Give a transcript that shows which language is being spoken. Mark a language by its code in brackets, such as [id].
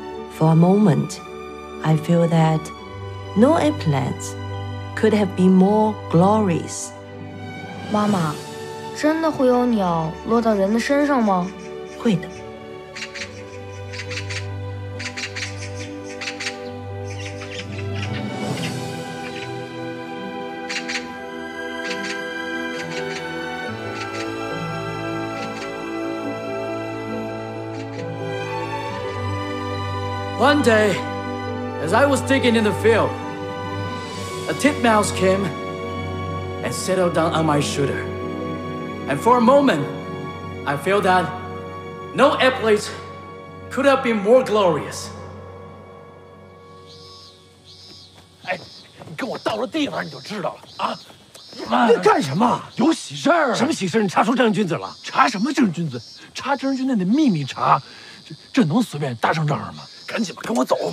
[en] For a moment, I feel that no eggplant could have been more glorious. [zh] 妈妈，真的会有鸟落到人的身上吗？会的。 [en] One day, as I was digging in the field, a titmouse came and settled down on my shoulder. And for a moment, I felt that no eggplant could have been more glorious. [zh] 哎，你跟我到了地方你就知道了啊！慢，你干什么？有喜事儿！什么喜事儿？你查出正人君子了？查什么正人君子？查正人君子得秘密查，这能随便大声嚷嚷吗？赶紧吧，跟我走。